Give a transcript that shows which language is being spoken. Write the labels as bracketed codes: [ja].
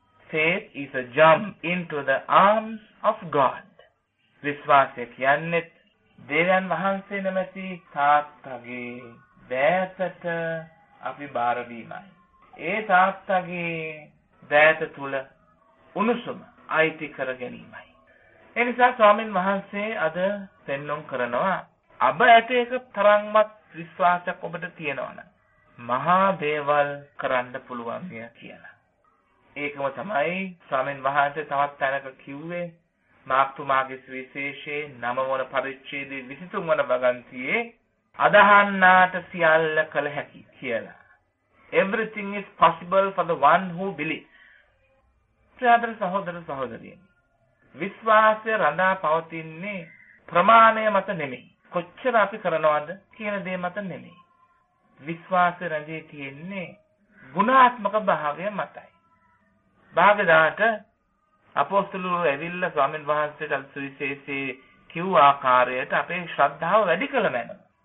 [en] Faith is a jump into the arms of God. [si] විශ්වාසය කියන්නේ දෙවියන් වහන්සේ නැමැති තාත්තගේ දෑතට අපි බාර වීමයි. ඒ තාත්තගේ දෑත තුල උණුසුම අයිති කර ගැනීමයි. ඒ නිසා ස්වාමීන් වහන්සේ අද පෙන්නුම් කරනවා අබ ඇටයක තරම්වත් විශ්වාසයක් ඔබට තියෙනවනම් මහා දේවල් කරන්න පුළුවන් කියලා. ඒකම තමයි ස්වාමීන් වහන්සේ තවත් තැනක කිව්වේ මාක්තුමාගේ සුවිශේෂයේ 9 වන පරිච්ඡේදයේ 23 වන වගන්තියේ අදහන්නාට සියල්ල කළ හැකි කියලා. [en] Everything is possible for the one who believes. [si] ප්‍රියදර සහෝදර සහෝදරියනි, විශ්වාසය රඳා පවතින්නේ ප්‍රමාණය මත නෙමෙයි, කොච්චර අපි කරනවද කියන දේ මත නෙමෙයි. විශ්වාසය රැඳී තියෙන්නේ ගුණාත්මක භාවය මතයි. භාගදාට අපෝස්තුලෝ ඇවිල්ලා ස්වාමීන් වහන්සේට සුවිශේෂී කිව් ආකාරයට අපේ ශ්‍රද්ධාව වැඩි කළ මැන.